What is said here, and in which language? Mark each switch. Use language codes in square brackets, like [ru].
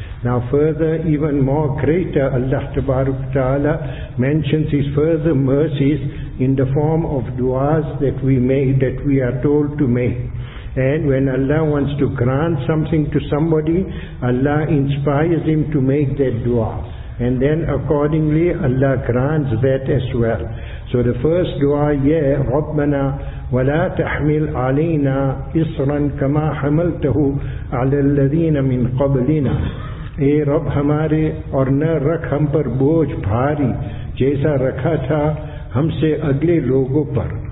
[en] Now further, even more greater, Allah Ta'ala mentions His further mercies in the form of du'as that we make, that we are told to make. And when Allah wants to grant something to somebody, Allah inspires him to make that du'a. And then accordingly Allah grants that as well. So the first du'a, yeah, [ar] رَبَّنَا وَلَا تَحْمِلْ عَلَيْنَا إِصْرًا كَمَا حَمَلْتَهُ عَلَى الَّذِينَ مِنْ قَبْلِنَا. [ur] اے رب ہمارے, اور نہ رکھ ہم پر بوجھ بھاری جیسا رکھا تھا ہم سے اگلے لوگوں پر.